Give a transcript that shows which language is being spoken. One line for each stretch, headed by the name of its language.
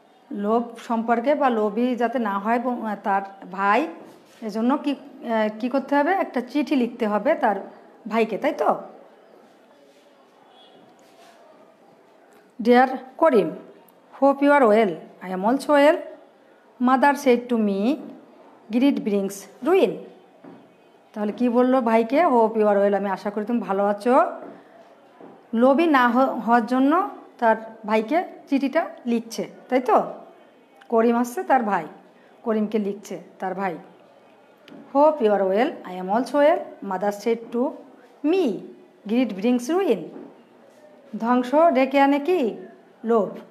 Bangla: লোভ সম্পর্কে বা লোভই যাতে না হয় তার ভাই, এজন্য কী করতে হবে, একটা চিঠি লিখতে হবে তার ভাইকে, তাই তো,
English: Dear Karim, hope you are well. I am also well. Mother said to me, greed brings ruin.
Bangla: তাহলে কি বললো ভাইকে?
English: hope you are well,
Bangla: আমি আশা করি তুমি ভালো আছো। লোভী না হওয়ার জন্য তার ভাইকে চিঠিটা লিখছে, তাই তো? করিম আসছে, তার ভাই করিমকে লিখছে তার ভাই।
English: hope you are well, I am also well, mother said to me, greed brings ruin,
Bangla: ধ্বংস ডেকে আনে কি লোভ।